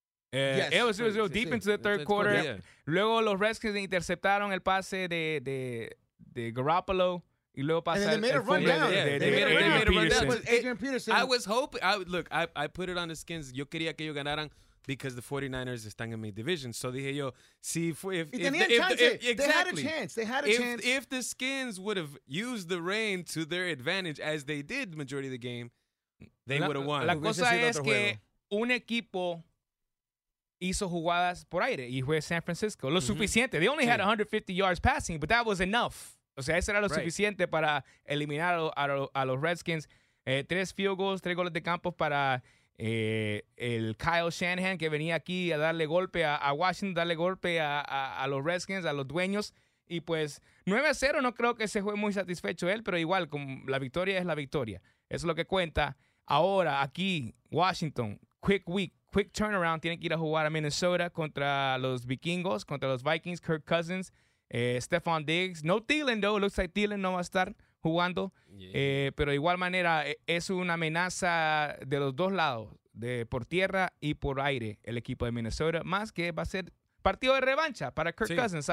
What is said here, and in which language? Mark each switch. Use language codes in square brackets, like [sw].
[en] Yes. It was 0-0 deep into the third quarter. Yeah. [es] Luego los Redskins interceptaron el pase de Garoppolo. Y luego pasa [en] and then they made a run down. They made a run down. I was hoping. I put it on the Skins. [es] Yo quería que ellos ganaran. [en] Because the [es] 49ers están en mi division. So dije yo, si fue... [en] They had a chance. If the Skins would have used the rain to their advantage, as they did majority of the game, they would have won. [es] La cosa es que un equipo hizo jugadas por aire, y fue San Francisco. Lo suficiente. [en] They only had 150 yards passing, but that was enough. [es] O sea, eso era lo suficiente para eliminar a los Redskins. Tres field goals, tres goles de campo para... el Kyle Shanahan, que venía aquí a darle golpe a Washington, darle golpe a los Redskins, a los dueños, y pues 9-0, no creo que se fue muy satisfecho él, pero igual, la victoria es la victoria, eso es lo que cuenta. Ahora aquí, Washington, [en] quick week, quick turnaround, [es] tienen que ir a jugar a Minnesota contra los vikingos, contra los Vikings, Kirk Cousins, Stephon Diggs, no Thielen [en] though, looks like [es] Thielen no va a estar jugando, pero de igual manera es una amenaza de los dos lados, de por tierra y por aire, el equipo de Minnesota, más que va a ser partido de revancha para Kirk Cousins.